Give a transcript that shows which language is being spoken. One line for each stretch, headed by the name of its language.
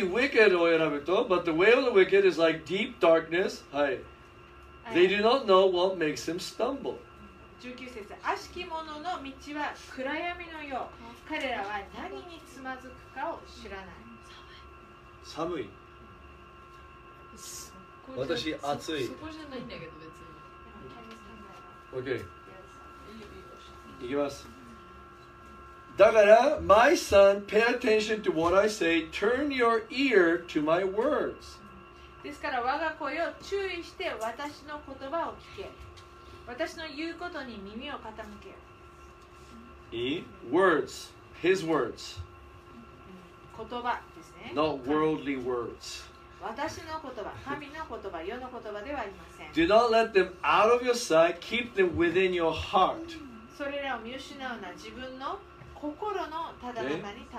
English: wicked
Japanese: を選ぶと、
English: But the way of the wicked is like deep darkness.
Japanese: はい。
English: They do not know what makes them stumble.
Japanese: 19節、悪しき者の道は暗闇のよう。彼らは何につまずくかを知らない。寒い。私、暑い。そこじゃないんだけど、別に。 OK。 行きます。だから、
English: my son, pay attention to what I say. Turn your ear to my words.
Japanese: ですから、我が子よ、注意して私の言葉を聞け。私の言うことに耳を傾け。いい
English: ?words。his words。
Japanese: 言葉ですね。
English: not worldly words。
Japanese: 私の言葉、神の言葉、世の言葉ではありません。
English: Do not let them out of your sight, keep them within your heart.
Japanese: それらを見失うのは自分の心のただ中に保て。